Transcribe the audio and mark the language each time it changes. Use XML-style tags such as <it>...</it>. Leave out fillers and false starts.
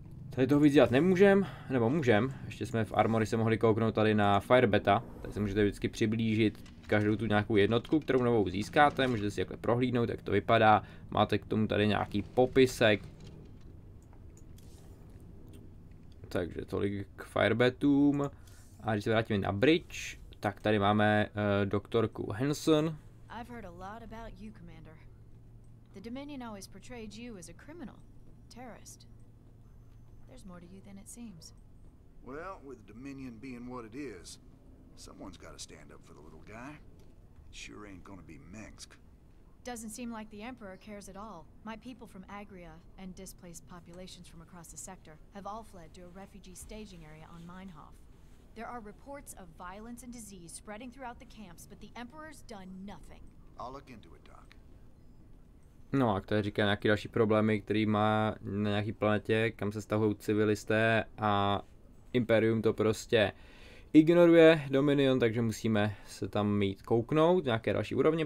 <cs>Tady toho víc dělat nemůžem, nebo můžem. Ještě jsme v armory se mohli kouknout tady na Firebeta, tady se můžete vždycky přiblížit každou tu nějakou jednotku, kterou novou získáte, můžete si takhle prohlídnout, jak to vypadá, máte k tomu tady nějaký popisek. Takže tolik k Firebetům. A když se vrátíme na bridge, tak tady máme doktorku Hansen.</cs> <en>I've heard a lot about you, Commander. The Dominion always portrayed you as a criminal, terrorist. There's more to you than it seems. Well, with the Dominion being what it is, someone's got to stand up for the little guy. Sure ain't gonna be Mengsk. Doesn't seem like the Emperor cares at all. My people from Agria and displaced populations from across the sector have all fled to a refugee staging area on Meinhof. There are reports of violence and disease spreading throughout the camps, but the Emperor's done nothing. I'll look into it, Doc.</en> <cs>No, a to říká nějaký další problémy, který má na nějaký planetě, kam se stahují civilisté a Imperium to prostě ignoruje Dominion, takže musíme se tam mít kouknout nějaké další úrovně.</cs>